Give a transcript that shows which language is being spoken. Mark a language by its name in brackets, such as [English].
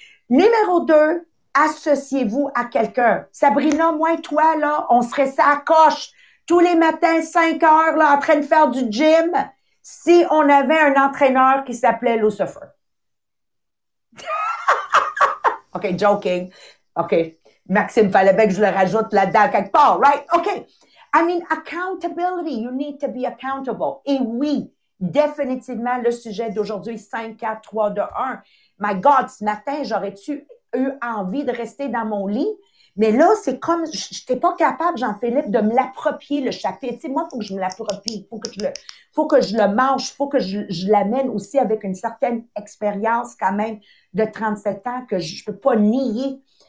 [French] Numéro deux, associez-vous à quelqu'un. Sabrina, moi et toi, là, on serait ça à coche tous les matins, 5 heures, là, en train de faire du gym, si on avait un entraîneur qui s'appelait Lucifer. [English] OK, joking. [French] OK, Maxime, fallait bien que je le rajoute là-dedans quelque part, [English] right? OK, I mean, accountability, you need to be accountable. [French] Et oui, définitivement, le sujet d'aujourd'hui, 5, 4, 3, 2, 1. [English] My God, [French] ce matin, j'aurais-tu eu envie de rester dans mon lit? Mais là, c'est comme, je n'étais pas capable, Jean-Philippe, de me l'approprier, le chapitre. Tu sais, moi, il faut que je me l'approprie, il faut que je le mange, il faut que je l'amène aussi avec une certaine expérience quand même de 37 ans que je ne peux pas nier.